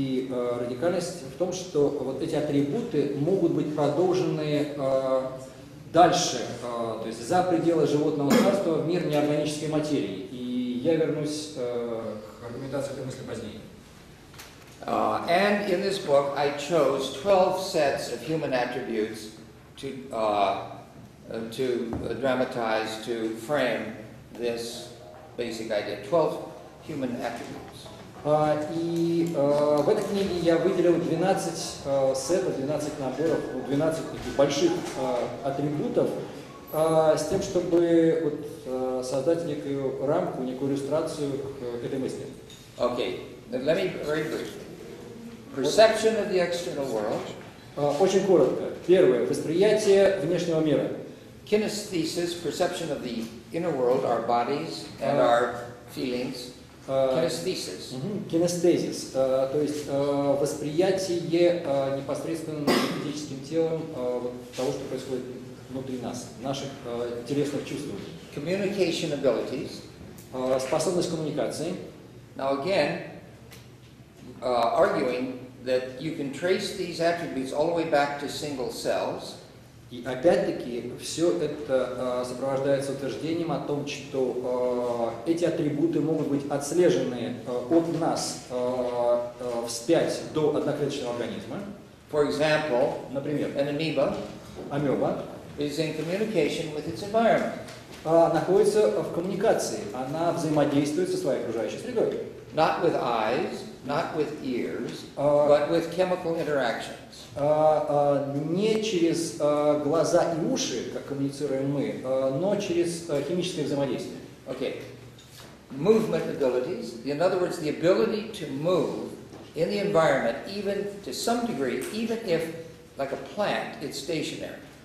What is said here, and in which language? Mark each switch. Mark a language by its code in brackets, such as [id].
[ru] Радикальность в том, что вот эти атрибуты могут быть продолжены дальше, то есть за пределы животного царства в мир неорганической материи. И я вернусь к аргументации этой мысли позднее. [en] And in this book, I chose 12 sets of human attributes to dramatize, to frame this basic idea. 12 human attributes. [ru] В этой книге я выделил 12 сетов, 12 наборов, 12 таких больших атрибутов, с тем, чтобы вот, создать некую рамку, некую иллюстрацию к этой мысли. [en] Okay, let me very briefly. Perception of the external world. [ru] Очень коротко. Первое. Восприятие внешнего мира. [en] Kinesthesis, perception of the inner world, our bodies and our feelings. Kinesthesis. Kinesthesis. [ru] То есть восприятие непосредственно физическим телом того, что происходит внутри нас, наших телесных чувств. [en] Communication abilities. [ru] Способность коммуникации. [en] Now again, arguing that you can trace these attributes all the way back to single cells. [ru] И опять-таки все это сопровождается утверждением о том, что эти атрибуты могут быть отслежены от нас вспять до одноклеточного организма. [en] For example, [ru] например, [en] an amoeba, [ru] амеба, [en] is in communication with its environment. [ru] Находится в коммуникации. Она взаимодействует со своей окружающей средой. [en] Not with eyes. Not with ears, but with chemical interactions. [ru] Не через глаза и уши, как коммуницируем мы, но через химическое взаимодействие. [en] Okay. Movement abilities, in other words, the ability to move in the environment, even to some degree, even if, like a plant, it's stationary.